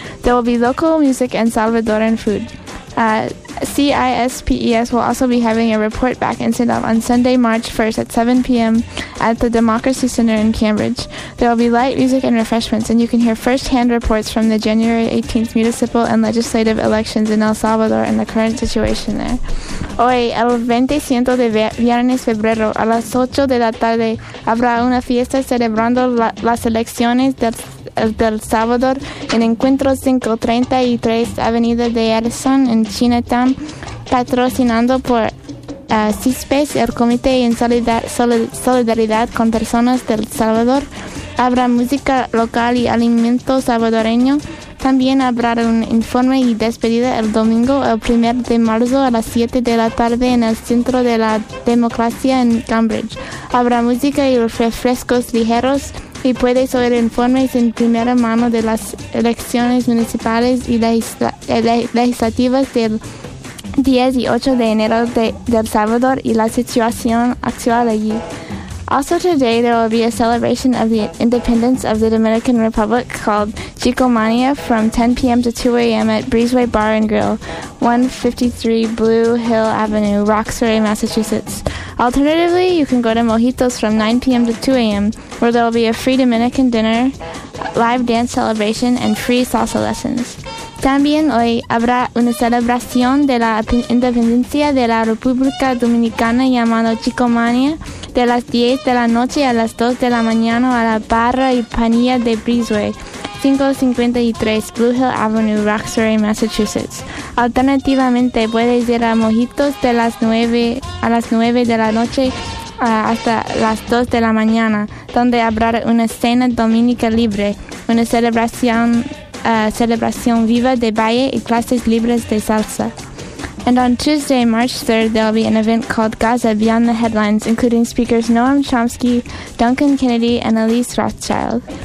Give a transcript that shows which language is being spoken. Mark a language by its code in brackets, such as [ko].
[en] There will be local music and Salvadoran food. CISPES will also be having a report back and send off on Sunday, March 1st at 7 p.m. at the Democracy Center in Cambridge. There will be light music and refreshments, and you can hear first-hand reports from the January 18th municipal and legislative elections in El Salvador and the current situation there. [es] Hoy, el 25 de viernes febrero, a las 8 de la tarde, habrá una fiesta celebrando las elecciones del Salvador en Encuentro 533 Avenida de Harrison en Chinatown, patrocinando por CISPES, el Comité en Solidaridad con Personas del Salvador. Habrá música local y alimento salvadoreño. También habrá un informe y despedida el domingo, el 1 de marzo a las 7 de la tarde en el Centro de la Democracia en Cambridge. Habrá música y refrescos ligeros. Y puedes oír informes en primera mano de las elecciones municipales y legislativas del 10 y 8 de enero de El Salvador y la situación actual allí. [en] Also today there will be a celebration of the independence of the Dominican Republic called Chicomania from 10 p.m. to 2 a.m. at Breezeway Bar and Grill, 153 Blue Hill Avenue, Roxbury, Massachusetts. Alternatively, you can go to Mojitos from 9 p.m. to 2 a.m., where there will be a free Dominican dinner, live dance celebration, and free salsa lessons. [es] También hoy habrá una celebración de la independencia de la República Dominicana llamado Chicomania de las 10 de la noche a las 2 de la mañana a la Barra y Panilla de Breezeway, 553 Blue Hill Avenue, Roxbury, Massachusetts. Alternativamente, puedes ir a Mojitos de las 9 a las 9 de la noche hasta las 2 de la mañana, donde habrá una cena dominica libre, una celebración viva de baile y clases libres de salsa. [en] And on Tuesday, March 3rd, there will be an event called Gaza Beyond the Headlines, including speakers Noam Chomsky, Duncan Kennedy, and Elise Rothschild.